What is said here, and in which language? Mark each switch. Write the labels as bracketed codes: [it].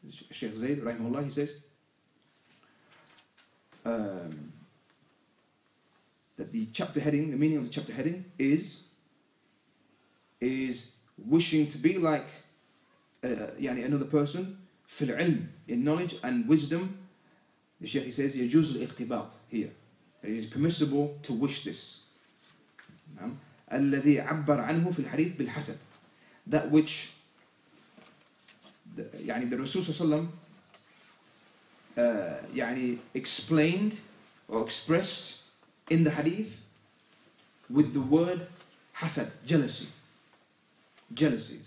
[en] Sheikh Zayd, rahimahullah, he says, that the chapter heading, the meaning of the chapter heading is wishing to be like يعني another person [ar] في العلم, [en] in knowledge and wisdom. The Sheikh, he says, [ar] يجوز الاقتباط [en] here. And it is permissible to wish this. [ar] الذي عبر عنه في الحديث بالحسد. [en] That which, يعني the Rasul صلى الله عليه وسلم يعني explained or expressed in the hadith with the word hasad, jealousy. Jealousy.